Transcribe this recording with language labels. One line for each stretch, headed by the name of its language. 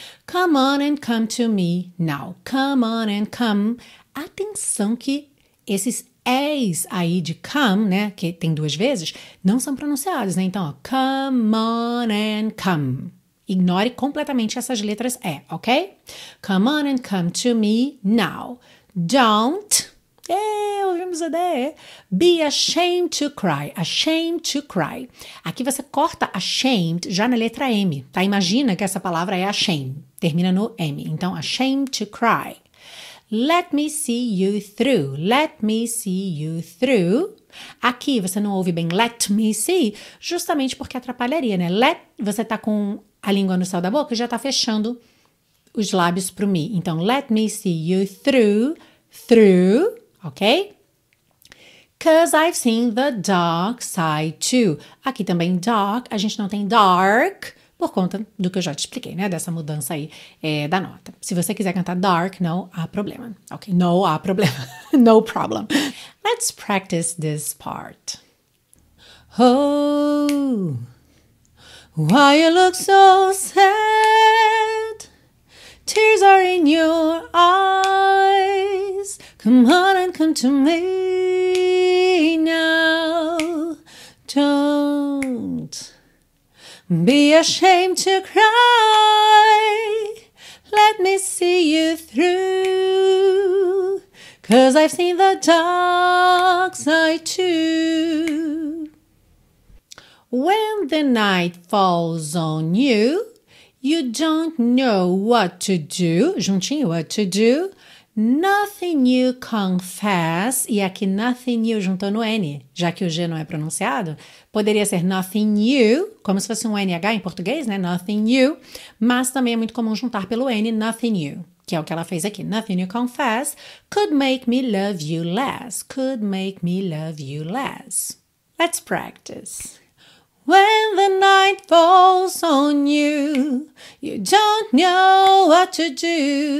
English: Come on and come to me now. Come on and come.
Portuguese: Atenção que esses E's aí de come, né, que tem duas vezes, não são pronunciados, né? Então, ó,
English: come on and come.
Portuguese: Ignore completamente essas letras E, ok?
English: Come on and come to me now. Don't,
Portuguese: ouvimos a D,
English: be ashamed to cry, ashamed to cry.
Portuguese: Aqui você corta ashamed já na letra M, tá? Imagina que essa palavra é ashamed, termina no M. Então,
English: ashamed to cry. Let me see you through, let me see you through.
Portuguese: Aqui você não ouve bem
English: let me see,
Portuguese: justamente porque atrapalharia, né? Let, você tá com a língua no céu da boca e já tá fechando os lábios pro me. Então,
English: let me see you through, through, ok? Cause I've seen the dark side too.
Portuguese: Aqui também dark, a gente não tem dark, por conta do que eu já te expliquei, né? Dessa mudança aí da nota. Se você quiser cantar dark, não há problema. Ok? No há problema.
English: No problem. Let's practice this part. Oh, why you look so sad? Tears are in your eyes. Come on and come to me now. Don't be ashamed to cry, let me see you through, cause I've seen the dark side too. When the night falls on you, you don't know what to do.
Portuguese: Juntinho,
English: what to do. Nothing you confess.
Portuguese: E aqui nothing you juntou no N, já que o G não é pronunciado. Poderia ser nothing you, como se fosse um NH em português, né?
English: Nothing you.
Portuguese: Mas também é muito comum juntar pelo N,
English: nothing you,
Portuguese: que é o que ela fez aqui.
English: Nothing you confess could make me love you less. Could make me love you less. Let's practice. When the night falls on you, you don't know what to do.